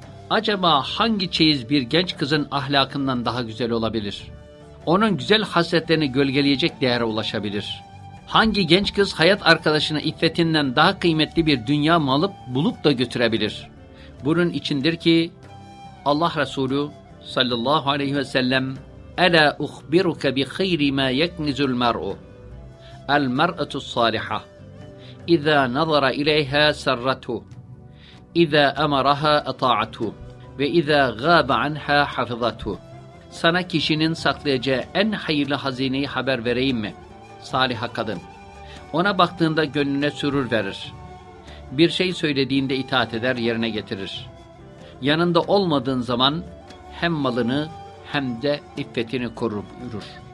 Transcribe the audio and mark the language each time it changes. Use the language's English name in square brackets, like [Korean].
[Turkish] Acaba hangi çeyiz bir genç kızın ahlakından daha güzel olabilir? Onun güzel hasletlerini gölgeleyecek değere ulaşabilir? Hangi genç kız hayat arkadaşına iffetinden daha kıymetli bir dünya malı bulup da götürebilir? Bunun içindir ki Allah Resulü sallallahu aleyhi ve sellem [Arabic] ألا أخبرك بخير ما يكنز المرء؟ المرأة الصالحة إذا نظر إليها سرته، إذا أمرها أطاعته، وإذا غاب عنها حفظته. [Turkish] Sana kişinin saklayacağı en hayırlı hazineyi haber vereyim mi? Saliha kadın. Ona baktığında gönlüne sürur verir. Bir şey söylediğinde itaat eder, yerine getirir. Yanında olmadığın zaman hem malını hem de iffetini korur, yürür.